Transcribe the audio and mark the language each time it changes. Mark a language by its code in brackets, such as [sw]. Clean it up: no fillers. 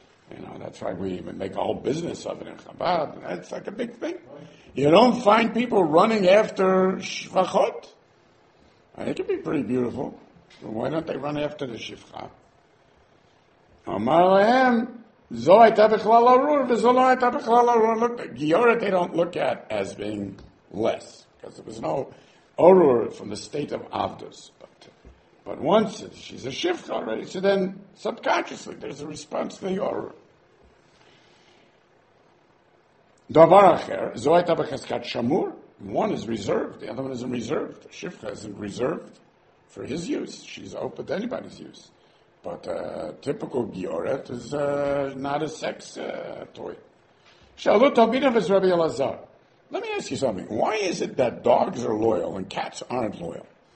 [en] You know, that's why we even make a whole business of it in Chabad. That's like a big thing. You don't find people running after Shvachot. It could be pretty beautiful. Why don't they run after the Shivcha? [he] Amar lehem, זו הייתה בכלל ארור, וזו לא הייתה בכלל ארור. [en] גיורת, they don't look at as being less, because there was no ארור from the state of avdus. But once she's a shifcha already, so then subconsciously there's a response to the ארור. [he] דבר אחר, זו הייתה בחזקת שמור. [en] One is reserved, the other one isn't reserved. Shifcha isn't reserved for his use. She's open to anybody's use. But a typical giyoret is not a sex toy. Shalu tovinav is Rabbi Elazar. Let me ask you something. Why is it that dogs are loyal and cats aren't loyal?